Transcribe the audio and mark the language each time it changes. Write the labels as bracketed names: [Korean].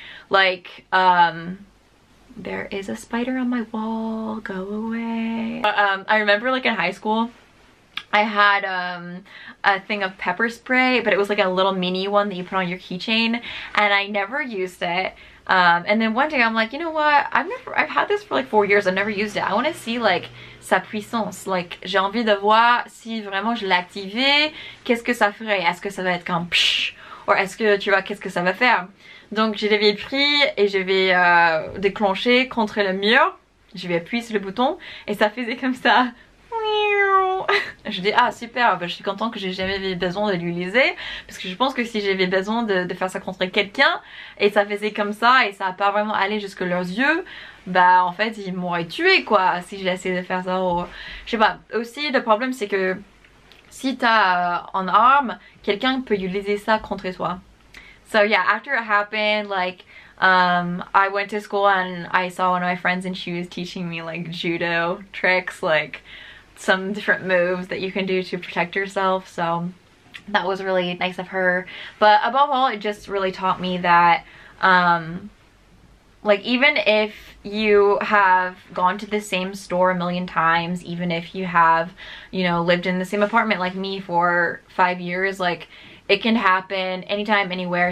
[English] Like, there is a spider on my wall, go away. I remember like in high school, I had a thing of pepper spray, but it was like a little mini one that you put on your keychain, and I never used it. And then one day I'm like, you know what? I've had this for like 4 years. I've never used it. I want to see like [French] sa puissance. Like, j'ai envie de voir si vraiment je l'activais, qu'est-ce que ça ferait? Est-ce que ça va être comme psh? Or est-ce que tu vois qu'est-ce que ça va faire? Donc je l'avais pris et je vais déclencher contre le mur. Je vais appuyer sur le bouton et ça faisait comme ça. Je dis, ah super, ben, je suis contente que j'ai jamais eu besoin de l'utiliser, parce que je pense que si j'avais besoin de faire ça contre quelqu'un et ça faisait comme ça et ça a pas vraiment allé jusque leurs yeux, bah ben, en fait ils m'auraient tué quoi, si j'ai essayé de faire ça. Oh, je sais pas, aussi le problème c'est que si t'as en arme, quelqu'un peut utiliser ça contre toi. [English] So yeah, after it happened, like, I went to school and I saw one of my friends and she was teaching me like judo tricks, like some different moves that you can do to protect yourself. So that was really nice of her. But above all, it just really taught me that, like, even if you have gone to the same store a million times, even if you have, you know, lived in the same apartment like me for 5 years, like, it can happen anytime, anywhere.